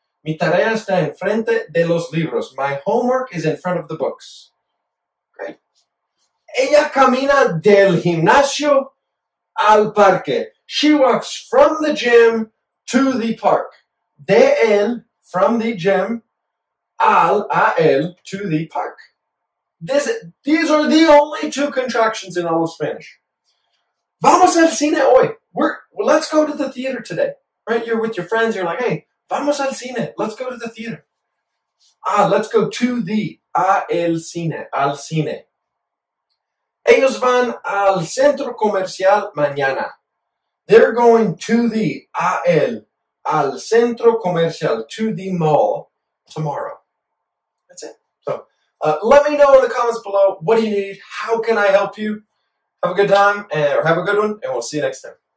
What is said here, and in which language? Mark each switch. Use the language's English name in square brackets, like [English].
[Spanish] Mi tarea está en frente de los libros. [English] My homework is in front of the books. Great. [Spanish] Ella camina del gimnasio al parque. [English] She walks from the gym to the park. [Spanish] De él, [English] from the gym, [Spanish] al, a él, [English] to the park. These are the only two contractions in all of Spanish. [Spanish] Vamos al cine hoy. [English] Let's go to the theater today. Right? You're with your friends. You're like, hey, [Spanish] vamos al cine. [English] Let's go to the theater. Ah, let's go to the, [Spanish] a el cine, al cine. Ellos van al centro comercial mañana. [English] They're going to the, [Spanish] a el, al centro comercial, [English] to the mall, tomorrow. That's it. So, let me know in the comments below, what do you need? How can I help you? Have a good time, or have a good one, and we'll see you next time.